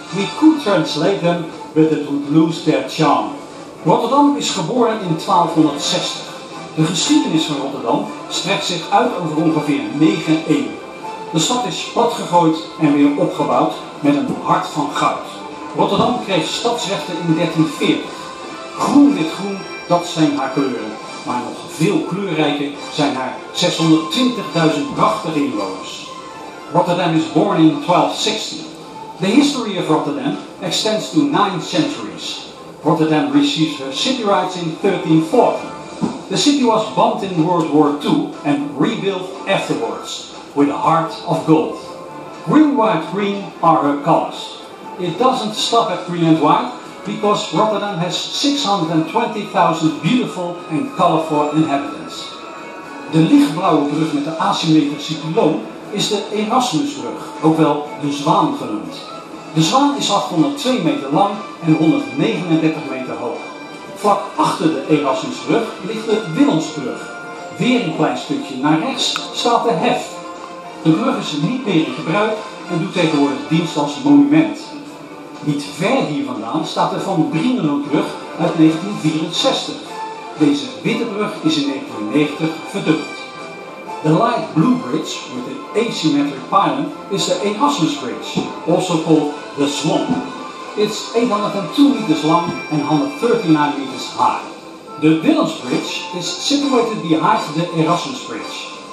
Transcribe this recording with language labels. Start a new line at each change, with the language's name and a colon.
English: We could translate them, but it would lose their charm.
Dutch: Rotterdam is geboren in 1260. De geschiedenis van Rotterdam strekt zich uit over ongeveer 9 eeuwen. De stad is plat gegooid en weer opgebouwd met een hart van goud. Rotterdam kreeg stadsrechten in 1340. Groen met groen, dat zijn haar kleuren. Maar nog veel kleurrijker zijn haar 620.000 prachtige inwoners.
English: Rotterdam is born in 1260. The history of Rotterdam extends to 9 centuries. Rotterdam receives her city rights in 1340. The city was bombed in World War II and rebuilt afterwards with a heart of gold. Green, white, green are her colors. It doesn't stop at green and white because Rotterdam has 620.000 beautiful and colorful inhabitants.
Dutch: De lichtblauwe brug met de asymmetrische pyloon is de Erasmusbrug, ook wel de Zwaan genoemd. De Zwaan is 802 meter lang en 139 meter hoog. Vlak achter de Erasmusbrug ligt de Willemsbrug. Weer een klein stukje naar rechts staat de Hef. De brug is niet meer in gebruik en doet tegenwoordig dienst als monument. Niet ver hier vandaan staat de Van Brienenhoekbrug uit 1964. Deze witte brug is in 1990 verdubbeld.
English: De light blue bridge with the asymmetric pylon is de Erasmus Bridge, also called the Swan. It's 802 meters long and 139 meters high. The Willems Bridge is situated behind the Erasmus Bridge.